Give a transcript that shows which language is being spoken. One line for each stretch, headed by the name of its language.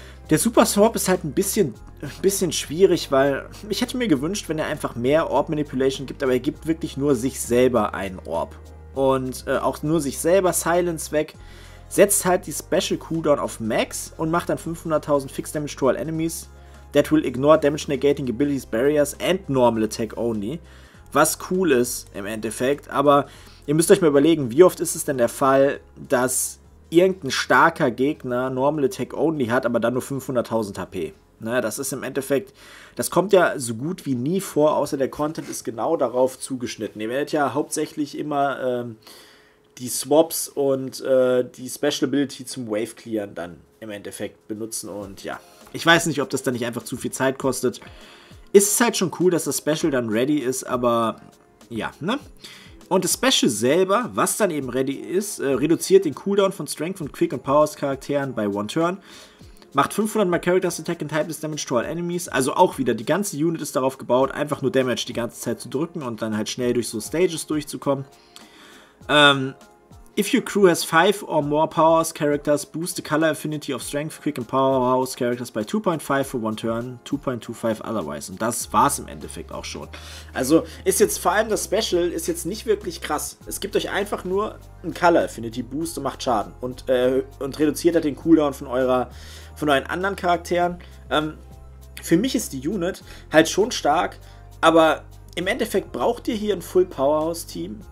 German: Der Super Swap ist halt ein bisschen schwierig, weil ich hätte mir gewünscht, wenn er einfach mehr Orb-Manipulation gibt, aber er gibt wirklich nur sich selber einen Orb. Und auch nur sich selber Silence weg, setzt halt die Special-Cooldown auf Max und macht dann 500.000 Fixed Damage to all Enemies.
English: That will ignore Damage Negating Abilities, Barriers and Normal Attack only.
German: Was cool ist im Endeffekt, aber ihr müsst euch mal überlegen, wie oft ist es denn der Fall, dass irgendein starker Gegner Normal Attack Only hat, aber dann nur 500.000 HP. Na, das ist im Endeffekt, das kommt ja so gut wie nie vor, außer der Content ist genau darauf zugeschnitten. Ihr werdet ja hauptsächlich immer die Swaps und die Special Ability zum Wave Clearen dann im Endeffekt benutzen und ja. Ich weiß nicht, ob das dann nicht einfach zu viel Zeit kostet. Ist es halt schon cool, dass das Special dann ready ist, aber ja, ne? Und das Special selber, was dann eben ready ist, reduziert den Cooldown von Strength und Quick und Powers Charakteren bei One Turn. Macht 500 mal
English: Characters Attack and Typeless Damage to all Enemies.
German: Also auch wieder, die ganze Unit ist darauf gebaut, einfach nur Damage die ganze Zeit zu drücken und dann halt schnell durch so Stages durchzukommen.
English: If your crew has 5 or more Powers Characters, boost the Color Affinity of Strength, Quick and Powerhouse Characters by 2.5 for one turn, 2.25 otherwise.
German: Und das war's im Endeffekt auch schon. Also ist jetzt vor allem das Special, ist jetzt nicht wirklich krass. Es gibt euch einfach nur einen Color Affinity Boost und macht Schaden. Und reduziert halt den Cooldown von euren anderen Charakteren. Für mich ist die Unit halt schon stark, aber im Endeffekt braucht ihr hier ein Full Powerhouse Team.